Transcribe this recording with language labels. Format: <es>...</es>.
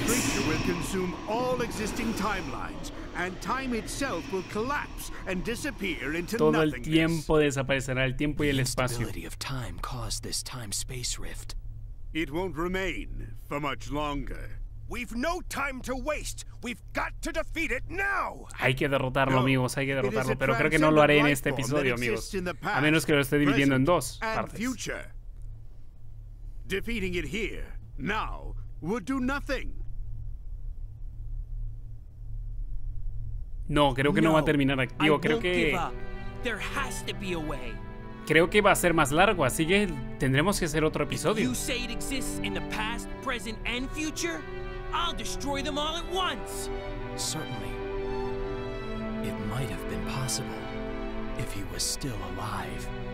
<en>This creature will consume all existing timelines, and time itself will collapse and disappear into nothingness.</en> <es>Todo el tiempo desaparecerá, el tiempo y el espacio.</es> <en>The of time caused this time-space rift. It won't remain for much longer. We've no time to waste. We've got to defeat it now.</en> <es>Hay que derrotarlo, amigos. Hay que derrotarlo, pero creo que no lo haré en este episodio, amigos. A menos que lo esté dividiendo en dos partes.</es> <en>Defeating it here now would do nothing.</en> <es>No, creo que no va a terminar aquí. Creo que</es> <en>there has to be a way.</en> <es>Creo que va a ser más largo, así que tendremos que hacer otro episodio.</es> <en>You say it exists in the past, present and future? I'll destroy them all at once. Certainly. It might have been possible if he was still alive.</en>